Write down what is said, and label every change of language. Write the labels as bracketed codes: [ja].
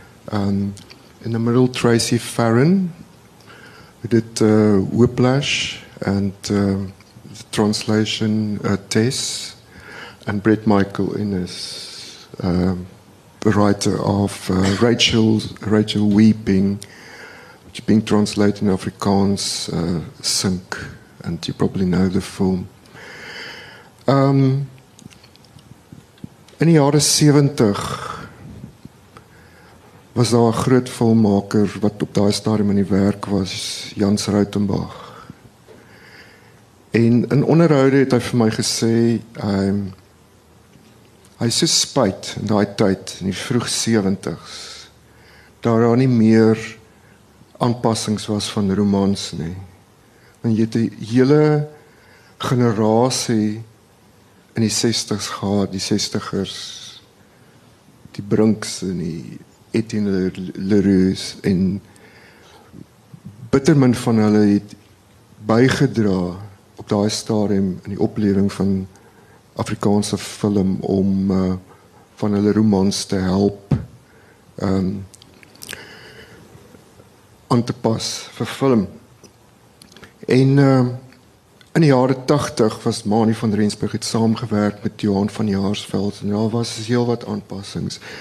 [en] In the middle, Tracey Farren, who did Whiplash and the translation Tess, and Brett Michael Innes, the writer of Rachel Weeping, which is being translated in Afrikaans, Sink, and you probably know the film. [af] In die jare 70 was daar 'n groot filmmaker wat op daai stadium in die werk was, Jans Rautenbach. En in onderhoude het hy vir my gesê, hy is so spyt in daai tyd, in die vroeg 70s, dat daar nie meer aanpassings was van romans nie. Want jy het die hele generasie in die 60s gehad, die 60ers, die Brinks en die Etienne Leroux, en bittermin van hulle het bygedra op daai stadium in die oplewing van Afrikaanse film om van hulle romans te help aan te pas vir film. En in die jare 80 was Mani van Rensburg het saamgewerk met Johan van Jaarsveld en daar was heel wat aanpassings.